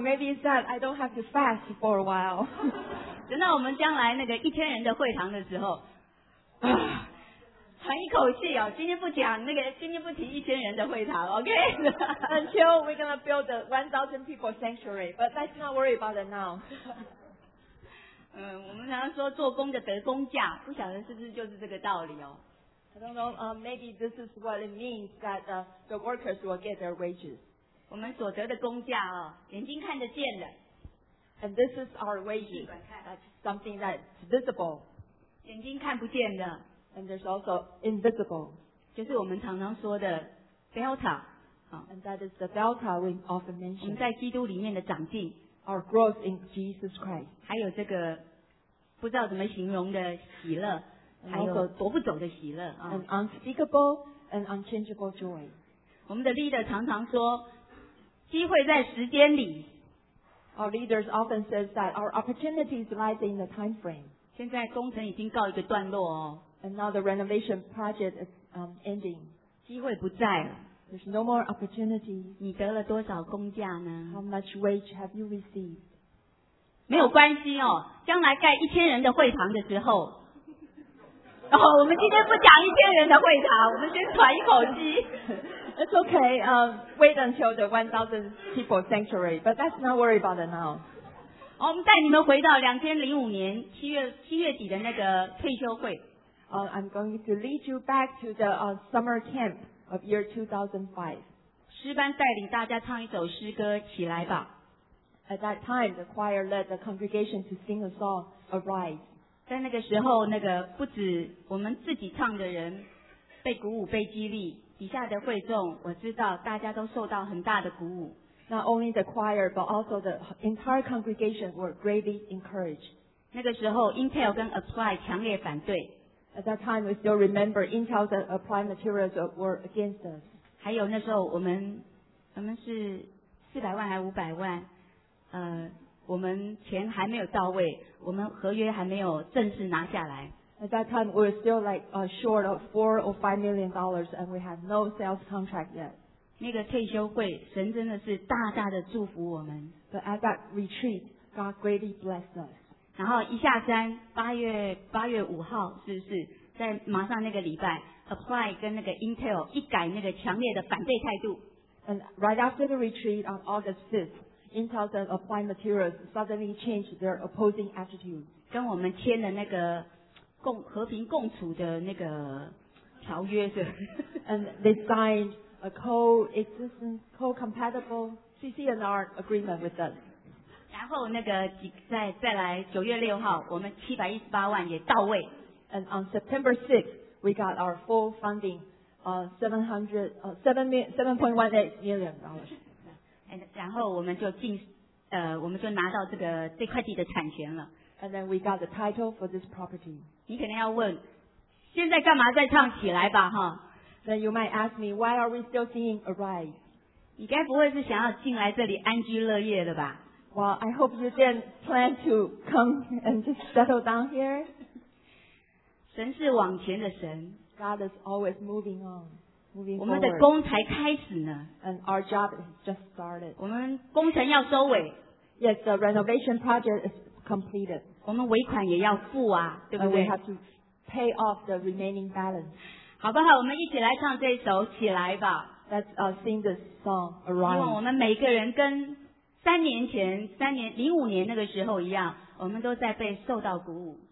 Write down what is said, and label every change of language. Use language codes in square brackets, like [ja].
[en] Maybe it's that I don't have to fast for a while. [zh] 等到我们将来那个一千人的会堂的时候，喘一口气哦。今天不讲那个，今天不提一千人的会堂 ，OK? [en] Until we're gonna build a 1,000 people sanctuary, but let's not worry about it now. [zh] 我们常常说做工的得工价，不晓得是不是就是这个道理哦。 [en] I don't know, maybe this is what it means that the workers will get their wages. [zh] 我们所得的工价哦，眼睛看得见的。 [en] And this is our wages, something that's visible. [zh] 眼睛看不见的。 [en] And there's also invisible. [zh] 就是我们常常说的 delta. [en] And that is the delta we often mention. [zh] 我们在基督里面的长进。 [en] Our growth in Jesus Christ. [zh] 还有这个不知道怎么形容的喜乐，还有夺不走的喜乐。 [en] An unspeakable and unchangeable joy. [zh] 我们的 leader 常常说，机会在时间里。 [en] Our leaders often says that our opportunities lies in the time frame. [zh] 现在工程已经告一个段落哦。 [en] And now the renovation project is ending. [zh] 机会不在了。 [en] There's no more opportunity. [zh] 你得了多少工价呢？ [en] How much wage have you received? [zh] 没有关系哦，将来盖一千人的会堂的时候，哦，我们今天不讲一千人的会堂，我们先喘一口气。 [en] It's okay. Wait until the 1,000 people sanctuary, but let's not worry about it now. [zh] 哦，我们带你们回到2005年七月底的那个退休会。 [en] I'm going to lead you back to the summer camp. Of year 2005. [zh] 诗班带领大家唱一首诗歌，起来吧。 [en] At that time, the choir led the congregation to sing a song, Arise. [zh] 在那个时候，那个不止我们自己唱的人被鼓舞、被激励，底下的会众，我知道大家都受到很大的鼓舞。 [en] Not only the choir, but also the entire congregation were greatly encouraged. [zh] 那个时候 ，Intel 跟 Apply 强烈反对。 [en] At that time, we still remember Intel's applied materials were against us. [zh] 还有那时候我们是400万还500万，我们钱还没有到位，我们合约还没有正式拿下来。 [en] At that time, we were still like short of $4 or $5 million, and we had no sales contract yet. [zh] 那个退休会，神真的是大大的祝福我们。 [en] But at that retreat, God greatly blessed us. [zh] 然后一下山，八月五号是不是在马上那个礼拜 ，apply 跟那个 Intel 一改那个强烈的反对态度。 [en] And right after the retreat on August 5th, Intel and Applied Materials suddenly changed their opposing attitude. [zh] 跟我们签了那个和平共处的那个条约是。 [en] And they signed a co-existence, co-compatible CCNR agreement with us. [zh] 然后那个再来9月6号，我们718万也到位。 [en] And on September 6th, we got our full funding, $7.18 million. [zh] And 然后我们就拿到这个这块地的产权了。 [en] And then we got the title for this property. [zh] 你可能要问，现在干嘛再唱起来吧，哈 [en] ？Then you might ask me, why are we still singing Arise? [zh] 你该不会是想要进来这里安居乐业的吧？ [en] Well, I hope you didn't plan to come and just settle down here. [zh] 神是往前的神。 [en] God is always moving on, moving forward. [zh] 我们的工才开始呢。 [en] And our job has just started. [zh] 我们工程要收尾。 [en] Yes, the renovation project is completed. [zh] 我们尾款也要付啊，对不对？ [en] And we have to pay off the remaining balance. [zh] 好不好？我们一起来唱这首《起来吧》。 [en] Let's sing this song, Arise. [zh] 希望我们每个人跟三年前，2005年那个时候一样，我们都在被受到鼓舞。